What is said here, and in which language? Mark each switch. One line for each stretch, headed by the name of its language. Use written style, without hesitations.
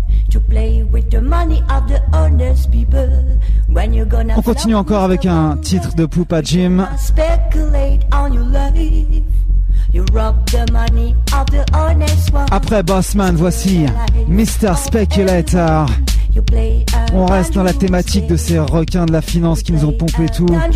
English: to play with the money of the honest people. When you're gonna
French: on continue encore avec un titre de Pupa Jim.
English: Speculate on your life. You rob the money of the honest one.
French: Après Bossman, voici Mr. Speculator. On reste dans la thématique de ces requins de la finance qui nous ont pompé tout.